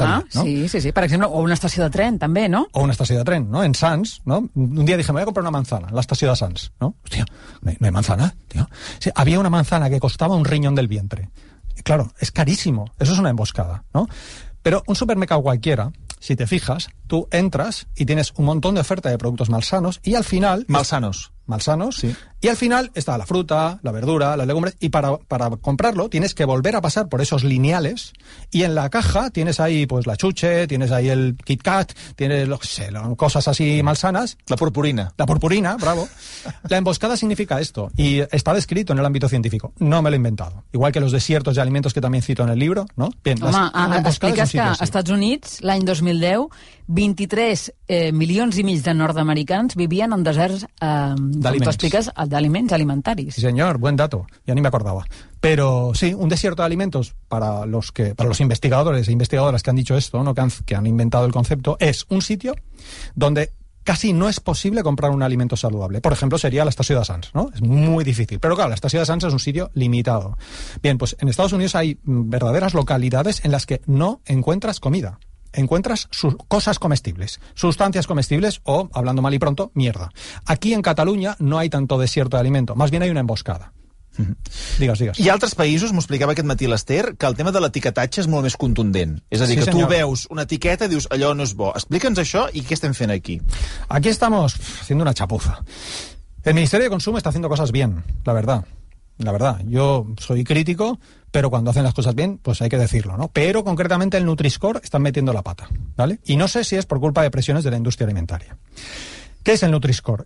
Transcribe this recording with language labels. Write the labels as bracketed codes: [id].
[ca] Sí, per exemple, o una estació de tren també, no? [es] O una estació de tren, no? En Sants, no? Un dia dije, me voy a comprar una manzana, la estació de Sants, no? Hostia, no hay manzana, tío. Sí, había una manzana que costaba un riñón del vientre. Y claro, es carísimo, eso es una emboscada, ¿no? Pero un supermercado cualquiera, si te fijas, tú entras y tienes un montón de oferta de productos malsanos y al final... Malsanos, sí. Y al final está la fruta, la verdura, las legumbres, y para comprarlo tienes que volver a pasar por esos lineales y en la caja tienes ahí pues la chuche, tienes ahí el Kit Kat, tienes lo que sea, cosas así malsanas. La purpurina, bravo. La emboscada significa esto, y está descrito en el ámbito científico, no me lo he inventado. Igual que los desiertos de alimentos que también cito en el libro, ¿no? [ca] Bien, home, expliques que als Estats Units, l'any 2010, 23 milions i mig de nord-americans vivien en deserts d'aliments alimentaris. Sí, senyor, [es] buen dato, [ca] ja ni me acordava. [es] Pero sí, un desierto de alimentos para los investigadores e investigadoras que han dicho esto, ¿no? que han inventado el concepto, es un sitio donde casi no es posible comprar un alimento saludable. Por ejemplo, sería la estación de Sants, ¿no? Es muy difícil. Pero claro, la estación de Sants es un sitio limitado. Bien, pues en Estados Unidos hay verdaderas localidades en las que no encuentras comida. Encuentras cosas comestibles, sustancias comestibles o, hablando mal y pronto, mierda. Aquí en Cataluña no hay tanto desierto de alimento, más bien hay una emboscada. [ca] Digues. I altres països, m'ho explicava aquest matí l'Ester, que el tema de l'etiquetatge és molt més contundent. És a dir, sí, que senyor. Tu veus una etiqueta i dius, allò no és bo. Explica'ns això i què estem fent aquí. [es] Aquí estamos haciendo una chapuza. El Ministerio de Consumo está haciendo cosas bien, la verdad. La verdad, yo soy crítico, pero cuando hacen las cosas bien, pues hay que decirlo, ¿no? Pero concretamente el Nutri-Score están metiendo la pata, ¿vale? Y no sé si es por culpa de presiones de la industria alimentaria. ¿Qué es el Nutri-Score?